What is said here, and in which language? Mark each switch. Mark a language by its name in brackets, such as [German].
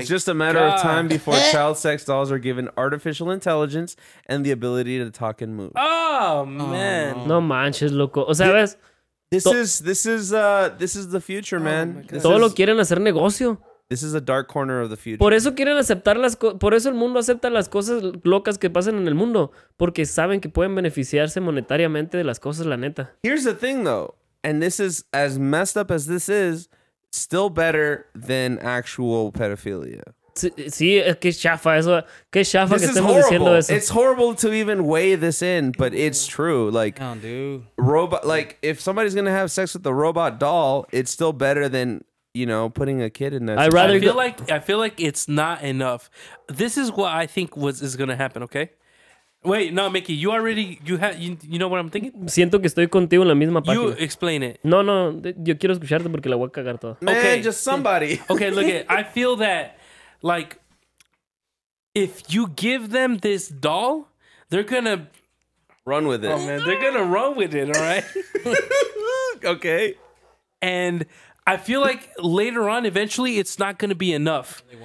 [English] It's just a matter of time before child sex dolls are given artificial intelligence and the ability to talk and move. Oh, man. [Spanish] No manches, loco. O sea, ves... [English] This is the future, man. [Spanish] Todo lo quieren hacer negocio. [English] This is a dark corner of the future. [Spanish] Por eso quieren aceptar las por eso el mundo acepta las cosas locas que pasan en el mundo porque saben que pueden beneficiarse monetariamente de las cosas, la neta. [English] Here's the thing though, and this is as messed up as this is, still better than actual pedophilia. [Spanish] Sí, qué chafa eso. Qué chafa [English] this [Spanish] que estemos [English] horrible. [Spanish] Diciendo eso. [English] It's horrible to even weigh this in, but it's true. Like, oh, dude. Robot, like if somebody's going to have sex with a robot doll, it's still better than, you know, putting a kid in that. I feel like it's not enough. This is what I think is going to happen, okay? Wait, no, Mickey, you know what I'm thinking? [Spanish] Siento que estoy contigo en la misma página. [English] You explain it. [Spanish] No, yo quiero escucharte porque la voy a cagar toda. [English] Man, okay, just somebody. Okay, look, I feel that like, if you give them this doll, they're gonna run with it. Oh man, they're gonna run with it, all right? Okay. And I feel like later on, eventually, it's not gonna be enough.